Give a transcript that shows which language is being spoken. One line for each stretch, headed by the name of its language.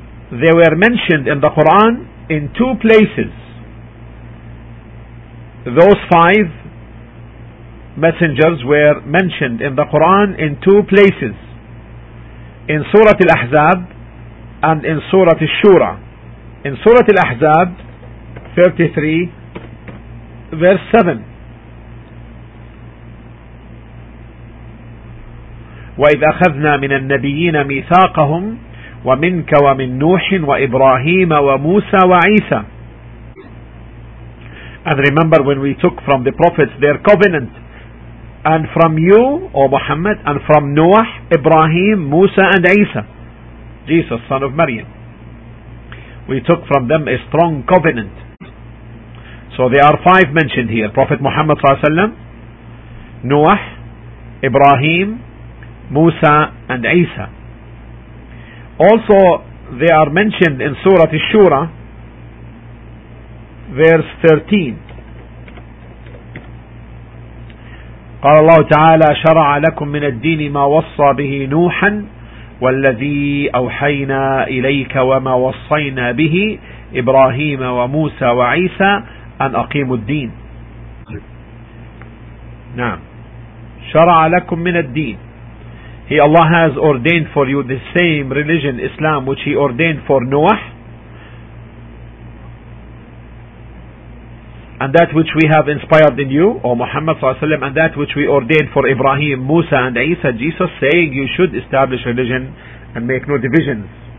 English: They were mentioned in the Quran in two places, those five messengers were mentioned in the Quran in two places, in Surah Al-Ahzab and in Surah Al-Shura.
Arabic: In Surah Al-Ahzab 33 verse 7, وَإِذْ أَخَذْنَا مِنَ النَّبِيِّينَ مِيثَاقَهُمْ وَمِنْكَ وَمِنْ نُوحٍ وَإِبْرَاهِيمَ وَمُوسَى وَعِيسَى.
English: And remember when we took from the prophets their covenant, and from you, O Muhammad, and from Noah, Ibrahim, Musa, and Isa, Jesus, son of Maryam. We took from them a strong covenant. So there are five mentioned here: Prophet Muhammad ﷺ, Noah, Ibrahim, Musa, and Isa. Also, they are mentioned in Surah Ash-Shura, verse 13.
Arabic: قال الله تعالى شرع لكم من الدين ما وصى به نوحا والذي أوحينا إليك وما وصينا به إبراهيم وموسى وعيسى أن أقيموا الدين. نعم, شرع لكم من الدين,
English: he Allah has ordained for you the same religion, Islam, which He ordained for Noah, and that which we have inspired in you, O Muhammad sallallahu alayhi wa sallam, and that which we ordained for Ibrahim, Musa, and Isa, Jesus, saying you should establish religion and make no divisions.